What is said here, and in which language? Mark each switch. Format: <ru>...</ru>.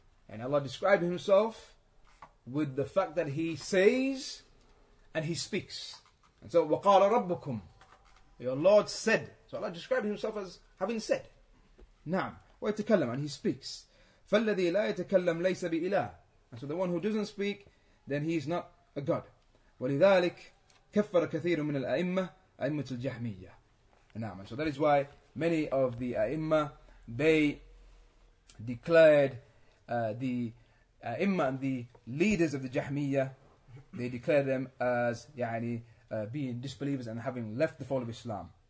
<en>And Allah described himself with the fact that he says and he speaks. And so</en> <ar>وَقَالَ رَبُّكُمْ,</ar> <en>your Lord said. So Allah described himself as having said. Naam.</en> <ar>ويتكلم,</ar> <en>and he speaks.</en> <ar>فالذي لا يتكلم ليس بإله.</ar> <en>And so the one who doesn't speak, then he is not a god.</en> <ar>ولذلك كفر كثير من الأئمة أئمة الجهمية. Naam.</ar> <en>And so that is why many of the أئمة, they declared the أئمة and the leaders of the جهمية, they declared them as يعني being disbelievers and having left the fall of Islam.</en>